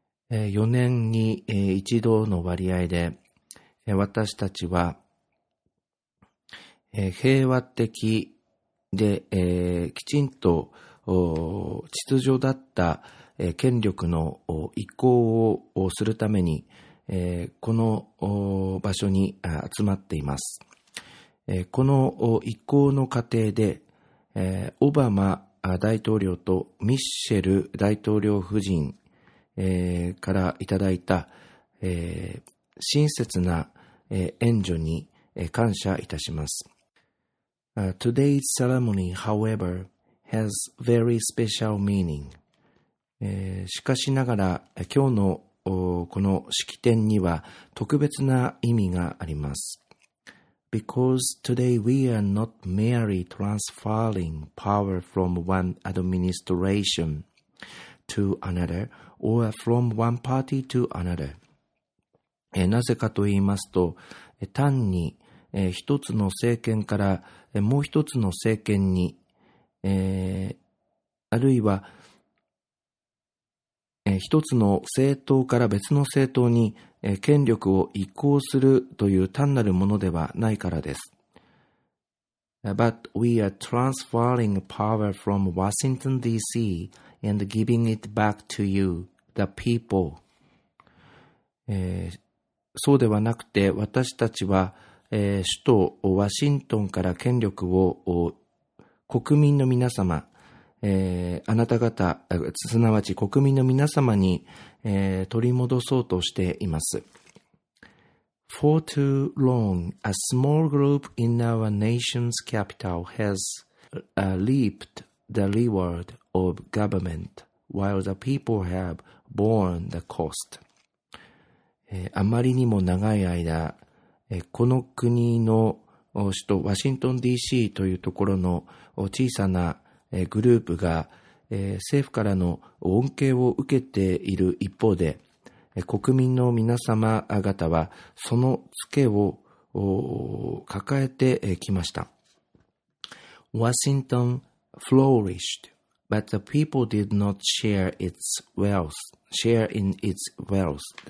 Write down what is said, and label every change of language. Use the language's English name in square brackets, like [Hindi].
[Japanese] 4年に一度の割合で、私たちは、平和的で、きちんと秩序だった権力の移行をするために、この場所に集まっています。この移行の過程で、オバマ大統領とミッシェル大統領夫人、からいただいた、親切な援助に感謝いたします。 [English] Today's ceremony, however, has very special meaning. [Japanese] しかしながら、今日のこの式典には特別な意味があります。 [English] Because today we are not merely transferring power from one administration to another or from one party to another. [Japanese] なぜかと言いますと、単に一つの政権からもう一つの政権に、あるいは、一つの政党から別の政党に、権力を移行するという単なるものではないからです。 [English] But we are transferring power from Washington DC and giving it back to you, the people. [Japanese] そうではなくて、私たちは首都ワシントンから権力を国民の皆様、あなた方、すなわち国民の皆様に、取り戻そうとしています。 [English] For too long, a small group in our nation's capital has reaped the reward of government, while the people have borne the cost. [Japanese] あまりにも長い間、この国の首都ワシントン DC というところの小さなグループが政府からの恩恵を受けている一方で、国民の皆様方はそのツケを抱えてきました。 [English] Washington flourished, but the people did not share its wealth, share in its wealth.